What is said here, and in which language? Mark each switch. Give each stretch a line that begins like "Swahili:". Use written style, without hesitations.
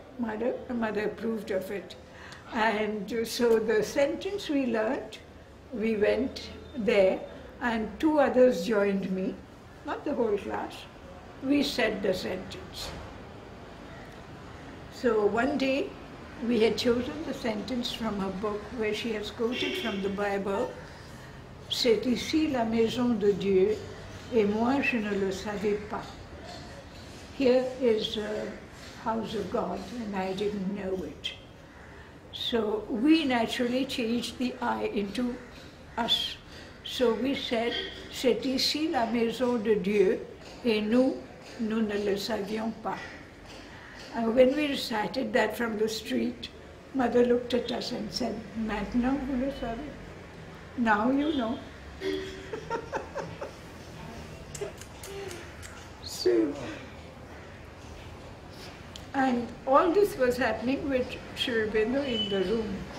English: Mother approved of it. And so the sentence we learnt, we went there, and two others joined me, not the whole class. We said the sentence. So one day, we had chosen the sentence from a book where she has quoted from the Bible.
French: C'est ici la maison de Dieu, et moi je ne le savais pas.
English: Here is the house of God, and I didn't know it. So we naturally changed the I into us. So we said,
French: c'est ici la maison de Dieu, et nous ne le savions pas.
English: And when we recited that from the street, mother looked at us and said,
French: maintenant vous le savez.
English: Now you know. So, and all this was happening with Sri Aurobindo in the room.